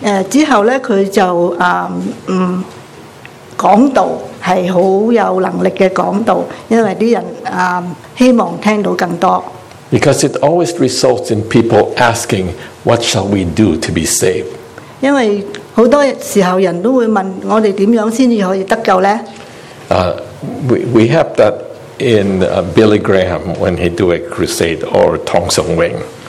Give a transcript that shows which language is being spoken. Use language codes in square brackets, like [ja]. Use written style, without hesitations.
[zh] 之后呢,他就讲道。 [en] Because it always results in people asking, what shall we do to be saved? [zh] 因为很多时候人都会问,我们怎样才可以得救呢? [en] we have that in Billy Graham when he do a crusade or Tong Song Wing.